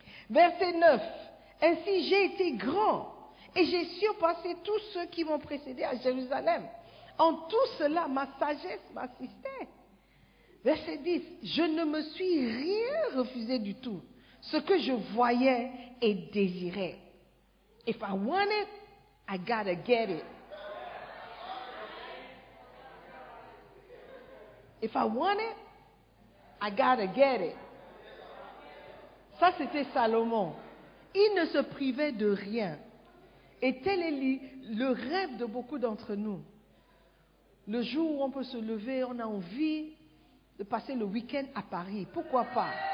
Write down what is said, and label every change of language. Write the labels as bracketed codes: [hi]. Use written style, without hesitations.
[fr] Verset 9. Ainsi j'ai été grand et j'ai surpassé tous ceux qui m'ont précédé à Jérusalem. En tout cela, ma sagesse m'assistait. Verset 10, je ne me suis rien refusé du tout. Ce que je voyais et désirais. [en] If I want it, I gotta get it. If I want it, I gotta get it. [fr] Ça, c'était Salomon. Il ne se privait de rien. Et tel est le rêve de beaucoup d'entre nous. Le jour où on peut se lever, on a envie de passer le week-end à Paris. Pourquoi pas?